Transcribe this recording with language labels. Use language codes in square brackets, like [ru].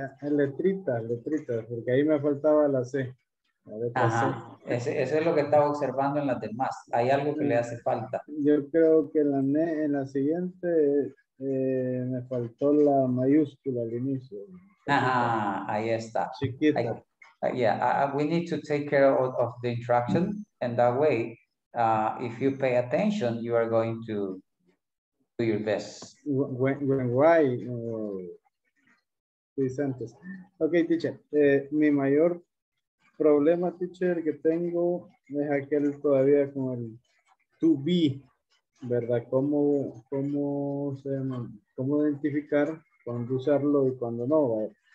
[es] Letrita, porque ahí me faltaba la C. Ajá, ese es lo que estaba observando en las demás. Hay algo que le hace falta. Yo creo que en la siguiente me faltó la mayúscula al inicio. Ajá, ahí está. Chiquita. [en] We need to take care of the instruction. And that way, if you pay attention, you are going to do your best. Presentes. Okay, teacher. [es] Mi mayor problema, teacher, que tengo es aquel todavía con el to be, ¿verdad? ¿Cómo identificar cuándo usarlo y cuándo no?